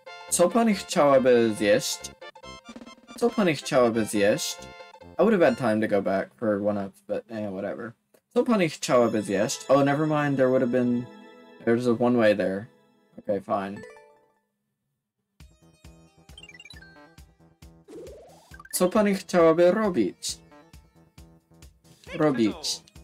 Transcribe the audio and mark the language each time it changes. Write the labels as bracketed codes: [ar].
[pl] Co pani chciałaby zjeść? Co pani chciałaby zjeść? [en] I would have had time to go back for one up, but eh, whatever. [pl] Co pani chciałaby zjeść? [en] Oh, never mind, there would have been... There's a one way there. Okay, fine. [pl] Co pani chciałaby robić? Robić.